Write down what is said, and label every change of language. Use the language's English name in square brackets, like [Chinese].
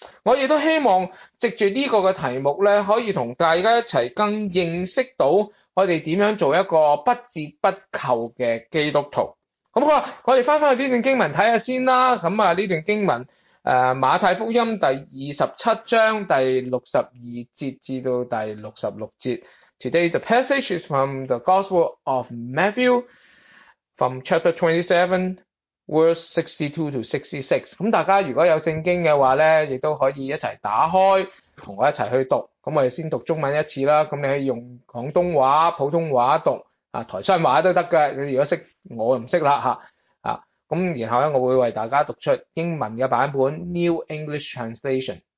[Cantonese] 我亦都希望藉住呢个嘅题目呢，可以同大家一齐更认识到我哋点样做一个不折不扣嘅基督徒。咁好啦，我哋翻返去呢段经文睇下先啦。咁啊，呢段经文，马太福音第27章第62节至到第66节。 [English] Today the passage is from the Gospel of Matthew, from chapter 27, verse 62 to 66。 [Cantonese] 咁大家如果有圣经嘅话咧，亦都可以一齐打开，同我一齐去读。咁我哋先读中文一次啦。咁你可以用广东话、普通话读。啊，台山话都得嘅，你如果识，我就唔识啦吓。啊，咁然后咧，我会为大家读出英文嘅版本 （New English Translation）。